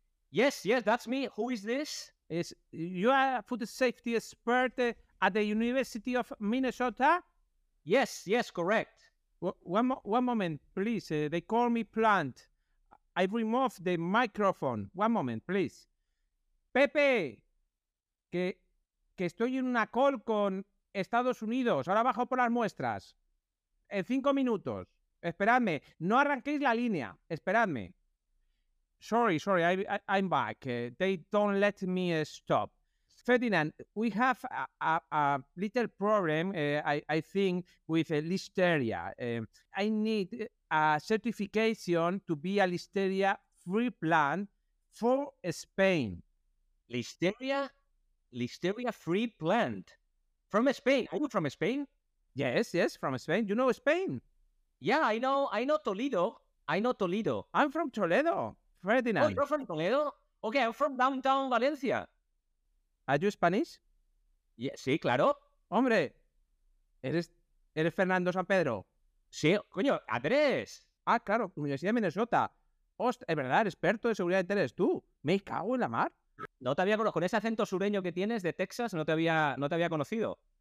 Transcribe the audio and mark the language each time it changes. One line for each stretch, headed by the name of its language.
English: Yes, that's me. Who is this? You are a food safety expert at the University of Minnesota? Yes, correct. One moment, please. They call me Plant. I removed the microphone. One moment, please.
Spanish: Pepe, que estoy en una call con Estados Unidos. Ahora bajo por las muestras. En 5 minutos. Esperadme. No arranquéis la línea. Esperadme.
English: Sorry. I'm back. They don't let me stop. Ferdinand, we have a little problem, I think, with Listeria. I need a certification to be a Listeria-free plant for Spain. Listeria? Listeria-free plant? From Spain? Are you from Spain? Yes, from Spain. You know Spain? Yeah, I know Toledo. I'm from Toledo, Ferdinand. Oh, you're from Toledo? Okay, I'm from downtown Valencia. Are you Spanish? Yeah,
Spanish: sí, claro. Hombre, ¿eres Fernando San Pedro? Sí, coño, Andrés. Ah, claro, Universidad de Minnesota. Ostras, es verdad, el experto de seguridad interior eres tú. Me cago en la mar. No te había conocido. Con ese acento sureño que tienes de Texas, no te había conocido.